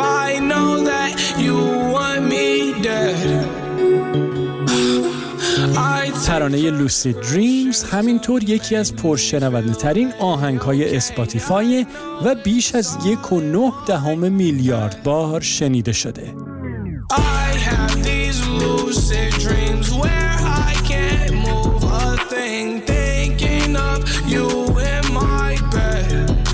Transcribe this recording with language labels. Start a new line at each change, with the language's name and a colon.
English: I know that you want me dead.
Persian: ترانه لوسید دریمز همینطور یکی از پرشنونده ترین آهنگ های اسپاتیفای و بیش از 1.9 میلیارد بار شنیده شده.
English: I have these lucid dreams where I can't move a thing, thinking of you in my bed.